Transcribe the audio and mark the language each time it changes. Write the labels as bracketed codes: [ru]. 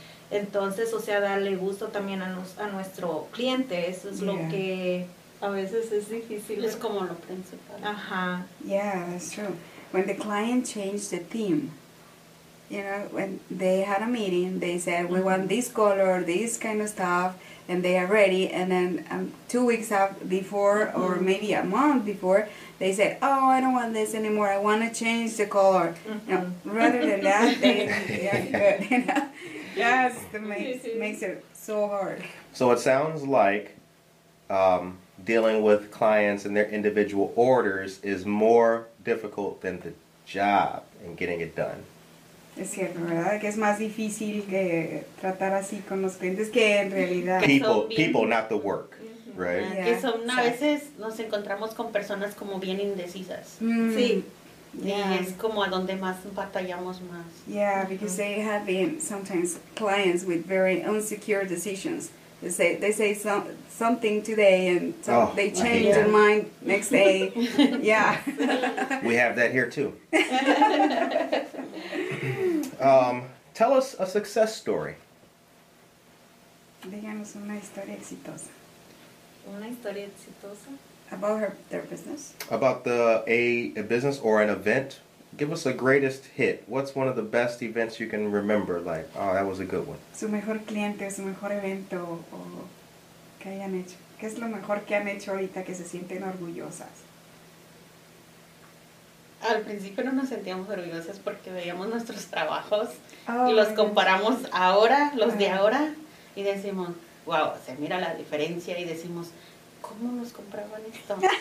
[es] Entonces, o sea, darle gusto también a nuestro cliente, eso es lo que a veces es difícil. Es como lo principal. Ajá. [en] Yeah, that's true. When the client changed the theme, you know, when they had a meeting, they said, we want this color, this kind of stuff, and they are ready. And then 2 weeks before, or maybe a month before, they said, oh, I don't want this anymore. I want to change the color. You know, rather than that, they are good. You know? Yes, that makes it so hard. So it sounds like dealing with clients and their individual orders is more difficult than the job and getting it done. [es] Es cierto, ¿verdad? Que es más difícil que tratar así con los clientes que en realidad. [en] People, not the work, right? [es] Yeah, que son, a veces nos encontramos con personas como bien indecisas. Sí. Yeah. Y es como a donde más batallamos más. [en] Yeah, because they have been sometimes clients with very insecure decisions. They say something today and they change their mind next day. Yeah. We have that here too. tell us a success story. [es] Díganos una historia exitosa. Una historia exitosa. [en] About their business. About a business or an event. Give us a greatest hit. What's one of the best events you can remember? Like, oh, that was a good one. [es] Su mejor cliente, su mejor evento, o que hayan hecho. ¿Qué es lo mejor que han hecho ahorita que se sienten orgullosas? Al principio no nos sentíamos orgullosas porque veíamos nuestros trabajos y los comparamos ahora, los de ahora, y decimos, wow, se mira la diferencia y decimos, ¿cómo nos compraban esto?